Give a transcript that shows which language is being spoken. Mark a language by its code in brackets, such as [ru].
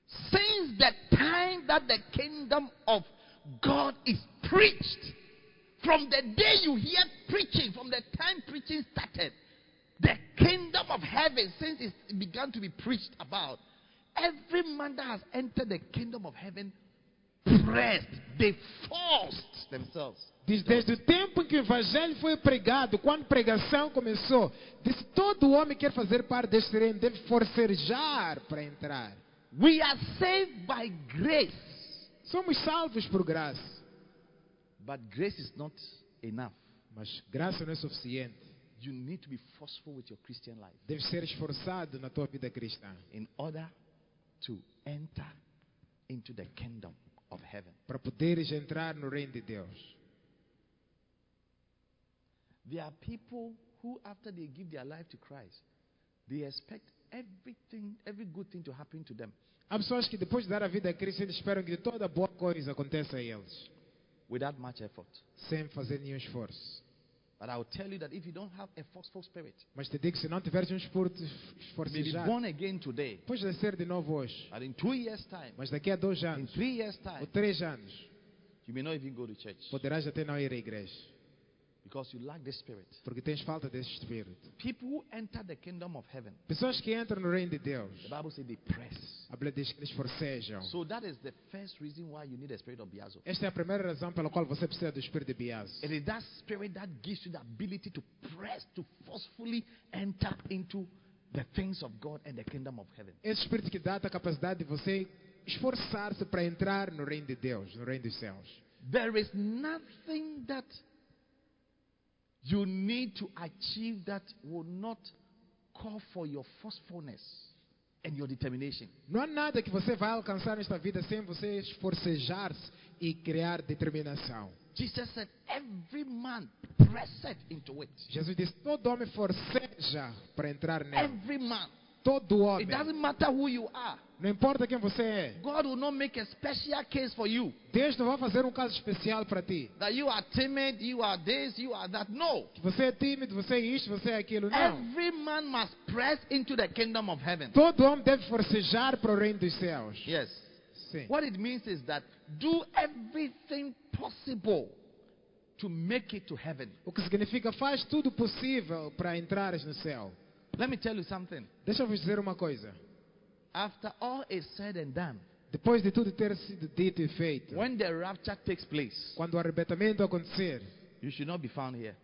[en] Since the time that the kingdom of God is preached. From the day you hear preaching, from the time preaching started, The kingdom of heaven, since it began to be preached about, every man that has entered the kingdom of heaven pressed, they forced themselves. [pt] Desde o tempo em que o evangelho foi pregado, quando a pregação começou, disse, todo homem quer fazer parte deste reino, deve forcejar para entrar. [en] We are saved by grace. [pt] Somos salvos por graça. [en] But grace is not enough. [pt] Mas graça não é suficiente. [en] You need to be forceful with your Christian life. [pt] Deve ser esforçado na tua vida cristã. [en] In order to enter into the kingdom of heaven. [pt] Para poderes entrar no reino de Deus. [en] There are people who, after they give their life to Christ, they expect everything, every good thing to happen to them. [pt] Há pessoas que depois de dar a vida a Cristo, eles esperam que toda boa coisa aconteça a eles. [en] Without much effort. [pt] Sem fazer nenhum esforço. [en] But I will tell you that if you don't have a forceful spirit, [pt] mas te digo, se não tiveres esforço, esforçar, [en] born again today, [pt] pode nascer de novo hoje. [en] But in 2 years time, [pt] mas daqui a 2 anos, [en] in 3 years time, [pt] ou 3 anos, [en] you may not even go to church. [pt] Poderás até não ir à igreja. [en] Because you lack the spirit. [pt] Porque tens falta desse espírito. [en] People who enter the kingdom of heaven. [pt] Pessoas que entram no reino de Deus. [en] The Bible says they press. [pt] A Bíblia diz que eles forcejam. [en] So that is the first reason why you need a spirit of Biazo. [pt] Esta é a primeira razão pela qual você precisa do espírito de Biazo. [en] It is that spirit that gives you the ability to press, to forcefully enter into the things of God and the kingdom of heaven. [pt] Esse espírito que dá a capacidade de você esforçar-se para entrar no reino de Deus, no reino dos céus. [en] There is nothing that you need to achieve that will not call for your forcefulness and your determination. [pt] Não há nada que você vai alcançar nesta vida sem você esforçar-se e criar determinação. [en] Jesus said, every man pressed into it. [pt] Jesus disse, todo homem forceja para entrar nele. [en] Every man. [pt] Todo homem. [en] It doesn't matter who you are. [pt] Não importa quem você é. [en] God will not make a special case for you. [pt] Deus não vai fazer caso especial para ti. [en] That you are timid, you are this, you are that. No. [pt] Que você é tímido, você é isto, você é aquilo. Não. [en] Every man must press into the kingdom of heaven. [pt] Todo homem deve forcejar para o reino dos céus. [en] Yes. [pt] Sim. [en] What it means is that do everything possible to make it to heaven. [pt] O que significa faz tudo possível para entrares no céu. [en] Let me tell you something. [pt] Deixa eu dizer uma coisa. [en] After all is said and done, [pt] depois de tudo ter sido dito e feito, [en] when the rapture takes place, [pt] quando o arrebatamento acontecer, [en] you should not be found here.